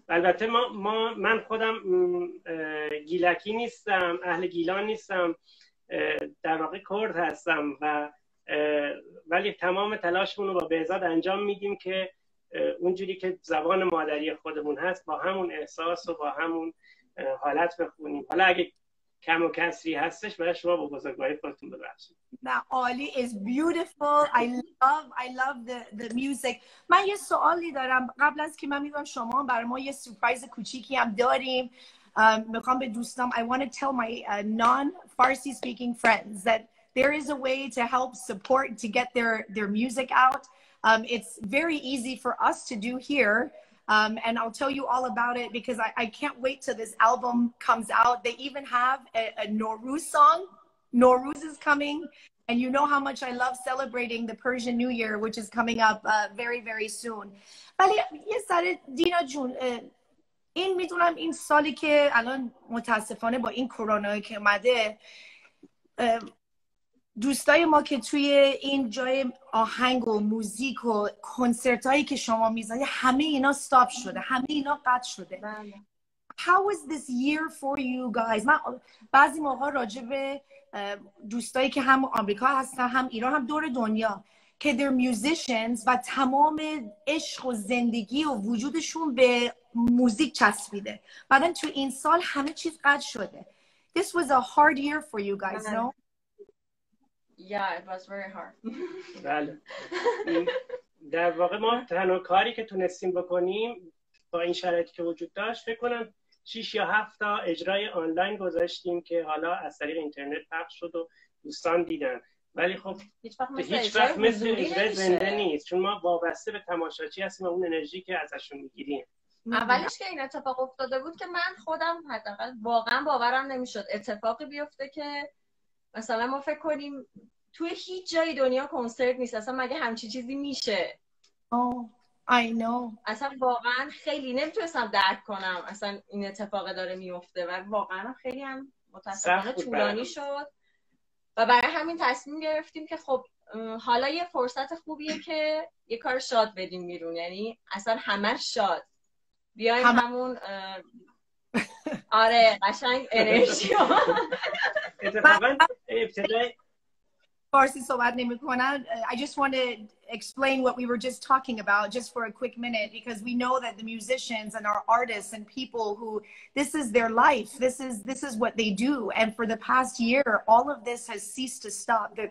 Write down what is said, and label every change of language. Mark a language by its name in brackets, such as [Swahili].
[Persian] البته من خودم گیلکی نیستم، اهل گیلان نیستم، در واقع کرد هستم و ولی تمام تلاشمون رو با بهزاد انجام میدیم که اونجوری که زبان مادری خودمون هست با همون احساس و با همون حالت بخونیم. حالا اگه کم و کسری هستش برای شما با بزرگواری خودتون ببخشید. نه عالی. [English] It's beautiful. I love the music. [Persian] من یه سوالی دارم قبل از که من میگم شما برای ما یه سورپرایز کوچیکی هم داریم. میخوام به دوستام [English] I want to tell my non-Farsi speaking friends that there is a way to help support to get their music out. It's very easy for us to do here. And I'll tell you all about it because I can't wait till this album comes out. They even have a Nowruz song. Nowruz is coming. And you know how much I love celebrating the Persian New Year, which is coming up very, very soon. [Persian] ولی یه سر دینا جون، این میدونم این سالی که الان متاسفانه با این کرونا که اومده، دوستای ما که توی این جای آهنگ و موزیک و کنسرت هایی که شما میزنید همه اینا استاپ شده، همه اینا قطع شده. [English] How was this year for you guys? [Persian] من بعضی موقع راجع به دوستایی که هم آمریکا هستن هم ایران هم دور دنیا که [English] they're musicians [Persian] و تمام عشق و زندگی و وجودشون به موزیک چسبیده. [English] But then [Persian] تو این سال همه چیز قطع شده. [English] This was a hard year for you guys, no? Yeah, it was very hard. [Persian] بله. در واقع ما تنها کاری که تونستیم بکنیم با این شرایطی که وجود داشت فکر کنم 6 یا 7 تا اجرای آنلاین گذاشتیم که حالا از طریق اینترنت پخش شد و دوستان دیدن. ولی خب هیچ وقت مثل اجرای زنده نیست چون ما وابسته به تماشاچی هستیم و اون انرژی که ازشون میگیریم. اولش که این اتفاق افتاده بود که من خودم حداقل واقعا باورم نمیشد اتفاقی بیفته که مثلا ما فکر کنیم توی هیچ جای دنیا کنسرت نیست، اصلا مگه همچی چیزی میشه؟ [English] I know. [Persian] اصلا واقعا خیلی نمیتونستم درک کنم اصلا این اتفاق داره میفته و واقعا خیلی هم متاسفانه طولانی شد و برای همین تصمیم گرفتیم که خب حالا یه فرصت خوبیه که یه کار شاد بدیم بیرون، یعنی اصلا همه شاد بیایم همون آره قشنگ انرژی و اتفاقا ابتدای Farsi sobat nahi kona. [English] I just want to explain what we were just talking about just for a quick minute because we know that the musicians and our artists and people who this is their life, this is what they do, and for the past year all of this has ceased to stop.